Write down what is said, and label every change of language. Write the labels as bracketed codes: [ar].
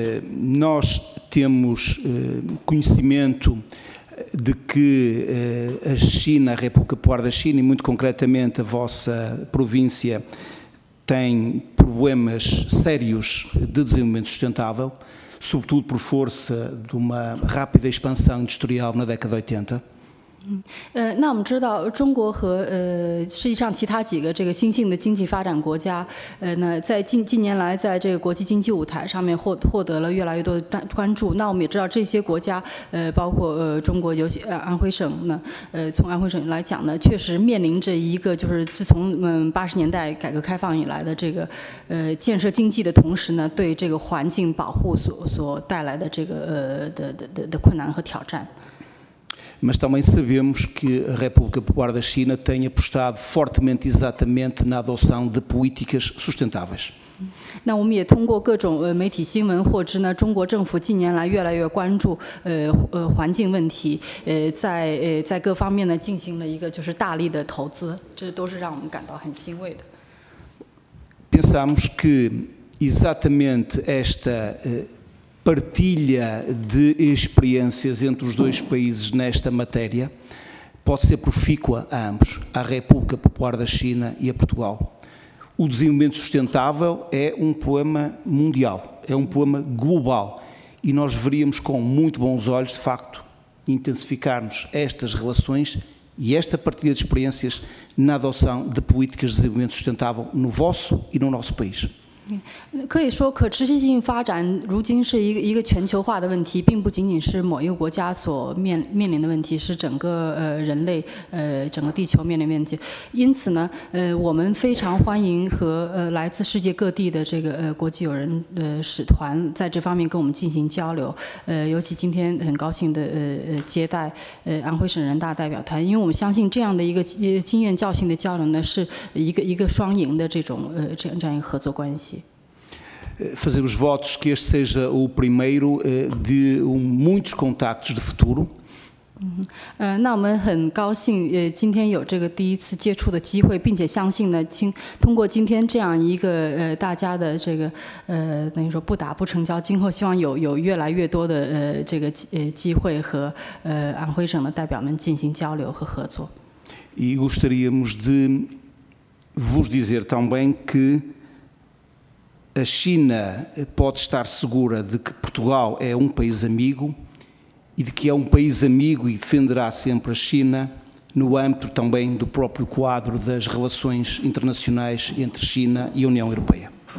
[zh] 是 [pt] de que a China, a República Popular da China e muito concretamente a vossa província tem problemas sérios de desenvolvimento sustentável, sobretudo por força de uma rápida expansão industrial na década de 80. [zh] 那我们知道，中国和实际上其他几个这个新兴的经济发展国家，那在近年来在这个国际经济舞台上面获得了越来越多的关注。那我们也知道，这些国家，包括中国，尤其安徽省呢，从安徽省来讲呢，确实面临着一个就是自从80年代改革开放以来的这个建设经济的同时呢，对这个环境保护所带来的这个的困难和挑战。 [pt] Mas também sabemos que a República Popular da China tem apostado fortemente exatamente na adoção de políticas sustentáveis. [zh] 那我们也通过各种媒体新闻获知呢，中国政府近年来越来越关注环境问题，在各方面呢进行了一个就是大力的投资，这都是让我们感到很欣慰的。 [pt] Pensamos que exatamente esta partilha de experiências entre os dois países nesta matéria pode ser profícua a ambos, à República Popular da China e a Portugal. O desenvolvimento sustentável é um problema mundial, é um problema global e nós veríamos com muito bons olhos, de facto, intensificarmos estas relações e esta partilha de experiências na adoção de políticas de desenvolvimento sustentável no vosso e no nosso país. [zh] 可以说，可持续性发展如今是一个全球化的问题，并不仅仅是某一个国家所面临的问题，是整个人类整个地球面临的问题。因此呢，我们非常欢迎和来自世界各地的这个国际友人使团在这方面跟我们进行交流。尤其今天很高兴的接待安徽省人大代表团，因为我们相信这样的一个经验教训的交流呢，是一个双赢的这样一个合作关系。 [pt] Fazemos votos que este seja o primeiro de muitos contactos de futuro. [zh] 那我们很高兴今天有这个第一次接触的机会，并且相信呢，通过今天这样一个大家的这个等于说不打不成交，今后希望有越来越多的这个机会和安徽省的代表们进行交流和合作。 [pt] E gostaríamos de vos dizer também que a China pode estar segura de que Portugal é um país amigo e de que é um país amigo e defenderá sempre a China no âmbito também do próprio quadro das relações internacionais entre China e a União Europeia.